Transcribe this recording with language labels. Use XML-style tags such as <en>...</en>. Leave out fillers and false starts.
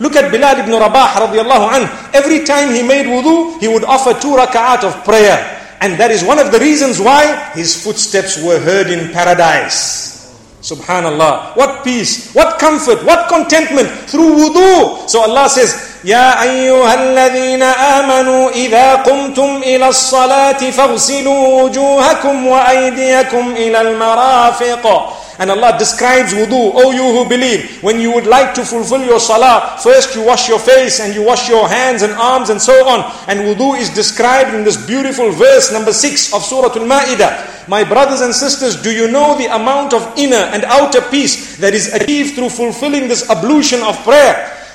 <en>Look at Bilal ibn Rabah radiallahu anhu. Every time he made wudu, he would offer 2 rak'at of prayer. And that is one of the reasons why his footsteps were heard in paradise. Subhanallah. What peace, what comfort, what contentment through wudu. So Allah says,</en> <ar>يَا أَيُّهَا الَّذِينَ آمَنُوا إِذَا قُمْتُمْ إِلَى الصَّلَاةِ فَغْسِلُوا وُجُوهَكُمْ وَأَيْدِيَكُمْ إِلَى الْمَرَافِقَ.</ar> <en>And Allah describes wudu. O you who believe, when you would like to fulfill your salah, first you wash your face and you wash your hands and arms and so on. And wudu is described in this beautiful verse number 6 of Surah Al-Ma'idah. My brothers and sisters, do you know the amount of inner and outer peace that is achieved through fulfilling this ablution of prayer?</en>